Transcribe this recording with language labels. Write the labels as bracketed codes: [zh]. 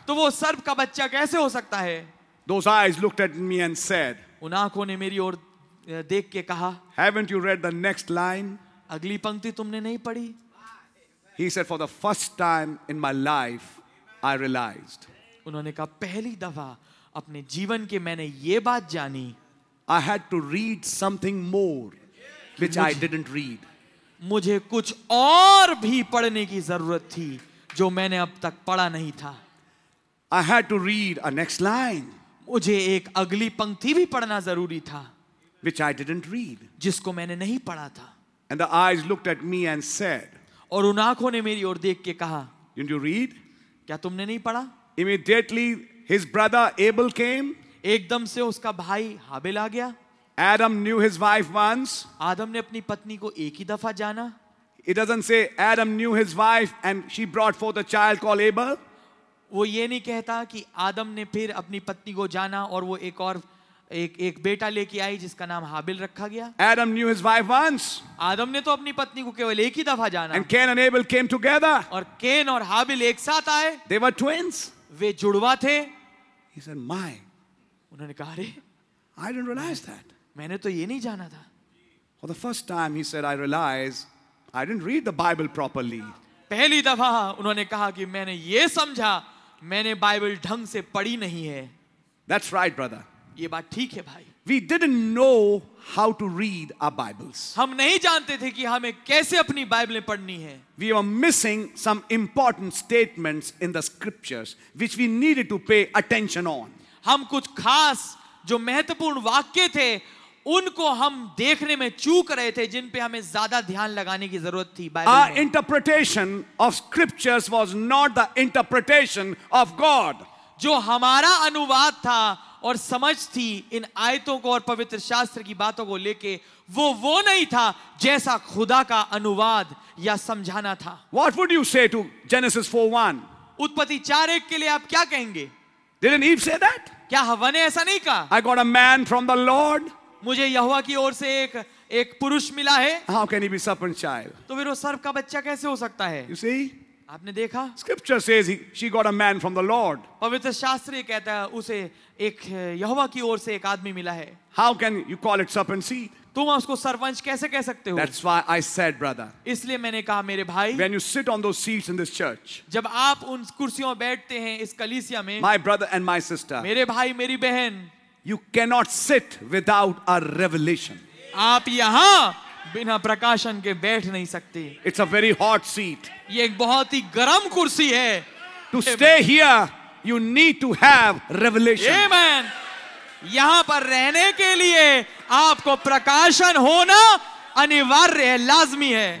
[hi] तो वो सर्प का बच्चा कैसे हो सकता है? [en] Those eyes looked at me and said, [hi] उन आंखों ने मेरी ओर देख के कहा, [en] Haven't you read the next line? [hi] अगली पंक्ति तुमने नहीं पढ़ी? [en] He said, For the first time in my life, I realized. [hi] उन्होंने कहा, पहली दफा अपने जीवन के मैंने ये बात जानी. [en] I had to read something more, which I didn't read. [hi] मुझे कुछ और भी पढ़ने की जरूरत थी जो मैंने अब तक पढ़ा नहीं था. [en] I had to read a next line. [hi] मुझे एक अगली पंक्ति भी पढ़ना जरूरी था. [en] Which I didn't read. [hi] जिसको मैंने नहीं पढ़ा था. [en] And the eyes looked at me and said. [hi] और उन आंखों ने मेरी ओर देख के कहा. [en] Didn't you read? [hi] क्या तुमने नहीं पढ़ा? [en] Immediately his brother Abel came. [hi] एकदम से उसका भाई हाबिल आ गया. [en] Adam knew his wife once. [hi] आदम ने अपनी पत्नी को एक ही दफा जाना. [en] It doesn't say Adam knew his wife and she brought forth a child called Abel. [hi] वो ये नहीं कहता कि आदम ने फिर अपनी पत्नी को जाना और वो एक और एक बेटा लेके आई जिसका नाम हाबिल रखा गया. [en] Adam knew his wife once. [hi] आदम ने तो अपनी पत्नी को केवल एक ही दफा जाना. [en] And Cain and Abel came together. [hi] और केन और हाबिल एक साथ आए. [en] They were twins. [hi] वे जुड़वा थे. [en] He said, "My." [hi] उन्होंने कहा, अरे, [en] I didn't realize that. [hi] मैंने तो ये नहीं जाना था. [en] For the first time, he said, "I realized I didn't read the Bible properly." [hi] पहली दफा उन्होंने कहा कि मैंने ये समझा मैंने बाइबल ढंग से पढ़ी नहीं है. [en] That's right, brother. [hi] ये बात ठीक है भाई. [en] We didn't know how to read our Bibles. [hi] हम नहीं जानते थे कि हमें कैसे अपनी बाइबलें पढ़नी है. [en] We were missing some important statements in the scriptures which we needed to pay attention on. [hi] हम कुछ खास जो महत्वपूर्ण वाक्य थे उनको हम देखने में चूक रहे थे जिन पे हमें ज्यादा ध्यान लगाने की जरूरत थी. [en] Our interpretation of scriptures was not the interpretation of God. [hi] जो हमारा अनुवाद था और समझ थी इन आयतों को और पवित्र शास्त्र की बातों को लेके वो नहीं था जैसा खुदा का अनुवाद या समझाना था. [en] What would you say to Genesis 4:1? [hi] उत्पत्ति 4:1 के लिए आप क्या कहेंगे? [en] Didn't Eve say that? [hi] क्या हवा ने ऐसा नहीं कहा? [en] I got a man from the Lord. [hi] मुझे यहोवा की ओर से एक पुरुष मिला है. [en] How can he be serpent's child? [hi] तो फिर वो सर्प का बच्चा कैसे हो सकता है? [en] You see? [hi] आपने देखा? [en] Scripture says she got a man from the Lord. [hi] पवित्र शास्त्र ये कहता है उसे एक यहोवा की ओर से एक आदमी मिला है. [en] How can you call it serpent seed? [hi] तुम उसको सर्पवंश कैसे कह सकते हो? [en] That's why I said, brother. [hi] इसलिए मैंने कहा मेरे भाई. [en] When you sit on those seats in this church. [hi] जब आप उन कुर्सियों बैठते हैं इस कलीसिया में. [en] My brother and my sister. [hi] मेरे भाई मेरी बहन. [en] You cannot sit without a revelation. [hi] आप यहाँ बिना प्रकाशन के बैठ नहीं सकते. [en] It's a very hot seat. [hi] ये एक बहुत ही गर्म कुर्सी है. [en] To stay here, you need to have revelation. Amen. [hi] यहाँ पर रहने के लिए आपको प्रकाशन होना अनिवार्य है, लाजमी है.